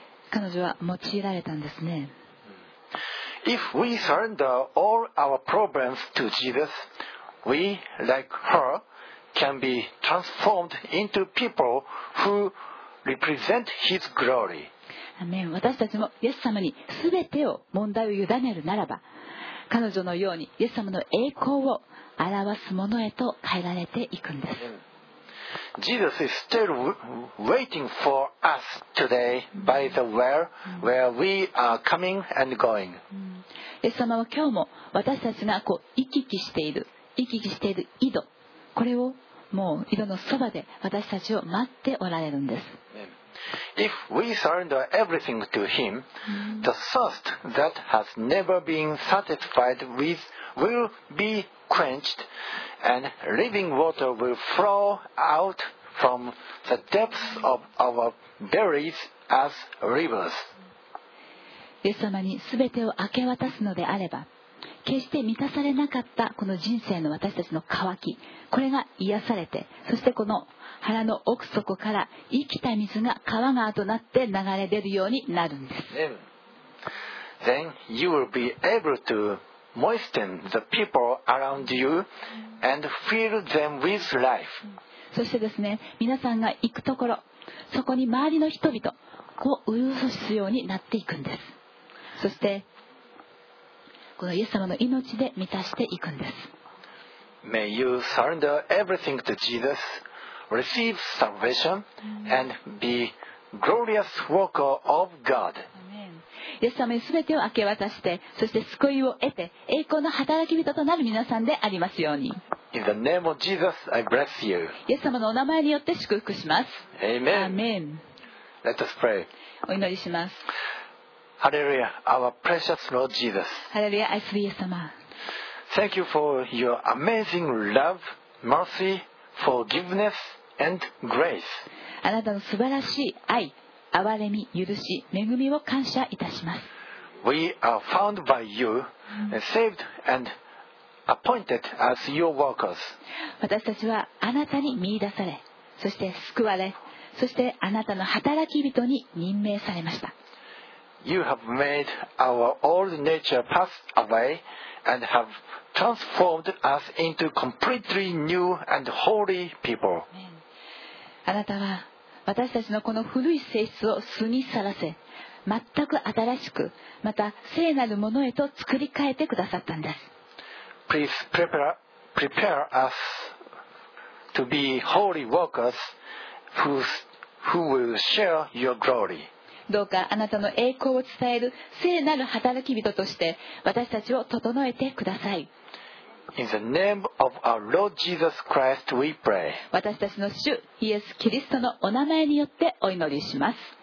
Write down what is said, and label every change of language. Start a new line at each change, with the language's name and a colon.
Japanese: 彼女は用いられたんですね。
English: If we surrender all our problems to Jesus, we, like her, can be transformed into people who represent His glory.
Japanese: アメン。私たちもイエス様に全てを問題を委ねるならば、彼女のようにイエス様の栄光を表すものへと変えられていくんです。
English: Jesus is still waiting for us today by the well where we are coming and going.
Japanese: イエス様は今日も私たちがこう行き来している井戸、これをもう井戸のそばで私たちを待っておられるんです。
English: If we surrender everything to Him, the thirst that has never been satisfied with will be quenched. And living water will flow out from the depths of our bellies as rivers.
Japanese: イエス様に全てを明け渡すのであれば、決して満たされなかったこの人生の私たちの渇き、これが癒されて、そしてこの腹の奥底から生きた水が川川となって流れ出るようになるんです。
English: Then you will be able to. Moisten the people around you and fill them with life.
Japanese: そしてですね、皆さんが行くところ、そこに周りの人々を潤すようになっていくんです。そしてこのイエス様の命で満たしていくんです。
English: May you surrender everything to Jesus, receive salvation, and be glorious worker of God.
Japanese: イエス様にすべてを明け渡して、そして救いを得て、栄光の働き人となる皆さんでありますように。
English: In the name of Jesus, I bless you.
Japanese: イエス様のお名前によって祝福します。
English: Amen. Amen. Let us pray.
Japanese: お祈りします。
English: Hallelujah, our precious Lord Jesus.
Japanese: Hallelujah, 愛するイエス様。
English: Thank you for your amazing love, mercy, forgiveness, and grace.
Japanese: あなたの素晴らしい愛、憐れみ、許し、恵みを感謝いたします。
English: We are found by you, saved and appointed as your workers.
Japanese: 私たちはあなたに見出され、そして救われ、そしてあなたの働き人に任命されました。
English: You have made our old nature pass away and have transformed us into completely new and holy people.
Japanese: あなたは私たちのこの古い性質を素に晒らせ、全く新しく、また聖なるものへと作り変えてくださったんです。
English: Please prepare us to be holy workers who will share your glory.
Japanese: どうかあなたの栄光を伝える聖なる働き人として私たちを整えてください。
English: In the name of our Lord Jesus Christ, we pray.
Japanese: 私たちの主イエス・キリストのお名前によってお祈りします。